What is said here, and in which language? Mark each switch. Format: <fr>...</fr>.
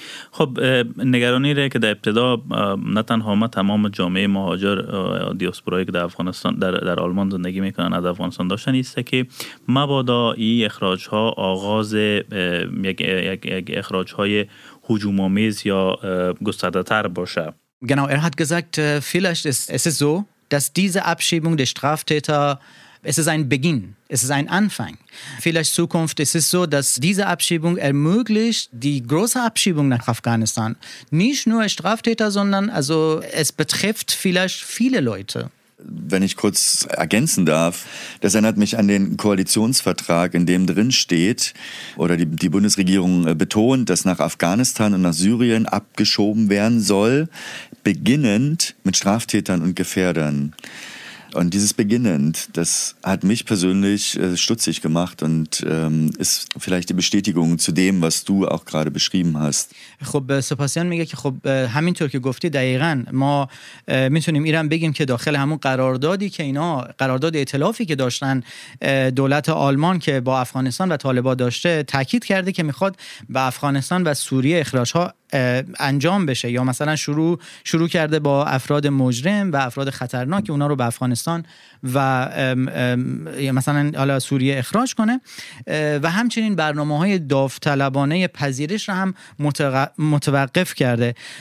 <fa>خب نگرانی ره که در ابتدا نه تنها ما، تمام جامعه مهاجر دیاسپورایی که در افغانستان در آلمان زندگی میکنن از افغانستان داشتن است که مبادا این اخراج ها آغاز یک اخراج های هجوم آمیز یا گسترده تر باشه.</fa> <de>Genau, hat gesagt, vielleicht es ist so, dass diese Abschiebung der Straftäter, es ist ein Beginn, es ist ein Anfang. Vielleicht Zukunft, es ist so, dass diese Abschiebung ermöglicht die große Abschiebung nach Afghanistan. Nicht nur Straftäter, sondern also es betrifft vielleicht viele Leute. Wenn ich kurz ergänzen darf, das erinnert mich an den Koalitionsvertrag, in dem drin steht, oder die Bundesregierung betont, dass nach Afghanistan und nach Syrien abgeschoben werden soll, beginnend mit Straftätern und Gefährdern. Und dieses Beginnend, das hat mich persönlich stutzig gemacht und ist vielleicht die Bestätigung zu dem, was du auch gerade beschrieben hast.</de> <fa>خب سپاسیان میگه که خب همین طور که گفتی دقیقاً ما میتونیم ایران بگیم که داخل همون قراردادی که اینا قرارداد ائتلافی که داشتن دولت آلمان که با افغانستان و طالبان داشته تاکید کرده که میخواد با افغانستان و سوریه اخراج ها انجام بشه یا مثلا شروع کرده با افراد مجرم و افراد خطرناک اونا رو به افغانستان و مثلا حالا سوریه اخراج کنه و همچنین برنامه‌های داوطلبانه پذیرش رو هم متوقف کرده.</fa>